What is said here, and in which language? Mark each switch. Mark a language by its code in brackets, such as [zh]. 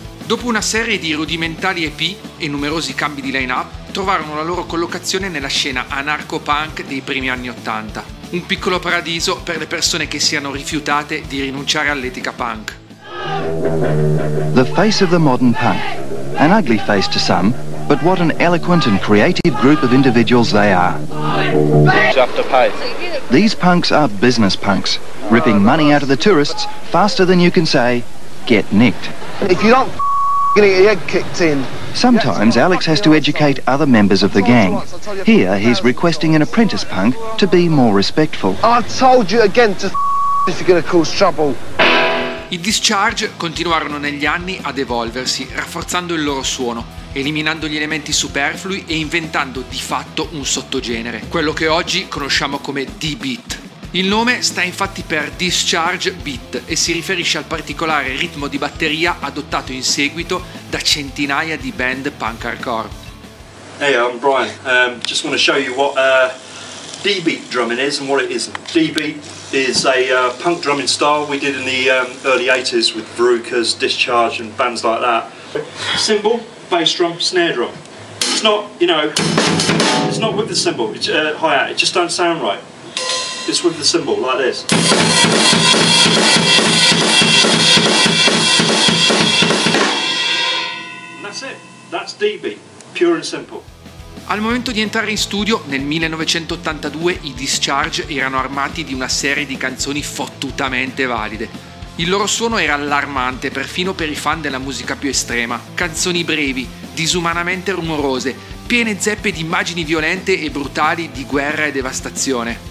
[it] Dopo una serie di rudimentali EP e numerosi cambi di line-up, trovarono la loro collocazione nella scena anarcho-punk dei primi anni 80. Un piccolo paradiso per le persone che siano rifiutate di rinunciare all'etica punk. [en] The face of the modern punk. An ugly face to some. But what an eloquent and creative group of individuals they are. These punks are business punks, ripping money out of the tourists faster than you can say, get nicked. If you don't, you're gonna get your head kicked in. Sometimes Alex has to educate other members of the gang. Here he's requesting an apprentice punk to be more respectful. I told you again to if you're gonna cause trouble. [it] I Discharge continuarono negli anni ad evolversi, rafforzando il loro suono, eliminando gli elementi superflui e inventando di fatto un sottogenere, quello che oggi conosciamo come D-Beat. Il nome sta infatti per Discharge Beat e si riferisce al particolare ritmo di batteria adottato in seguito da centinaia di band punk hardcore. [en] Hey, I'm Brian. Just want to show you what D-Beat drumming is and what it isn't. D-Beat is a punk drumming style we did in the early 80s with Veruca's, Discharge and bands like that. Cymbal, bass drum, snare drum. It's not, you know, it's not with the cymbal, it's hi-hat, it just don't sound right. It's with the cymbal, like this. And that's it. That's D-Beat, pure and simple. [it] Al momento di entrare in studio, nel 1982, i Discharge erano armati di una serie di canzoni fottutamente valide. Il loro suono era allarmante, perfino per i fan della musica più estrema. Canzoni brevi, disumanamente rumorose, piene zeppe di immagini violente e brutali di guerra e devastazione.